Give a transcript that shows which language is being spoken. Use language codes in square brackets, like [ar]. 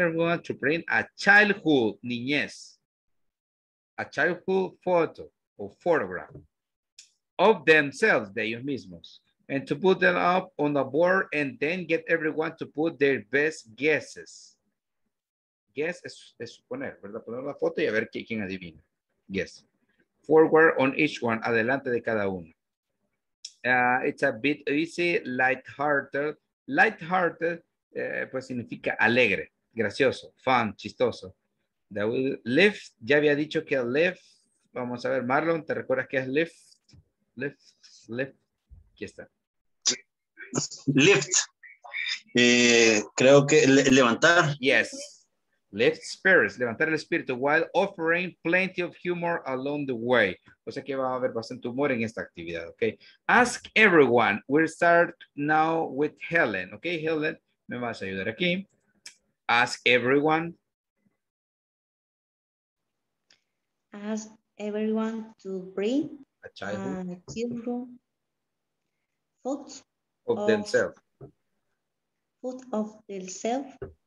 [en] I'm going to print a childhood, niñez. A childhood photo or photograph. Of themselves, [es] de ellos mismos. [en] And to put them up on the board and then get everyone to put their best guesses. [es] Guess es suponer, ¿verdad? Poner la foto y a ver quién adivina. [en] Guess. Forward on each one, [es] adelante de cada uno. [en] It's a bit easy, lighthearted. Lighthearted, [es] pues significa alegre, gracioso, [en] fun, chistoso. That will lift, [es] ya había dicho que lift. Vamos a ver, Marlon, ¿te recuerdas que es lift? Lift, lift, aquí está. Lift, creo que levantar. [en] Yes, lift spirits, [es] levantar el espíritu, [en] while offering plenty of humor along the way. [es] O sea que va a haber bastante humor en esta actividad, ok. [en] Ask everyone, we'll start now with Helen, ok. [es] Helen, me vas a ayudar aquí. [en] Ask everyone. Ask everyone to bring a childhood photo of themselves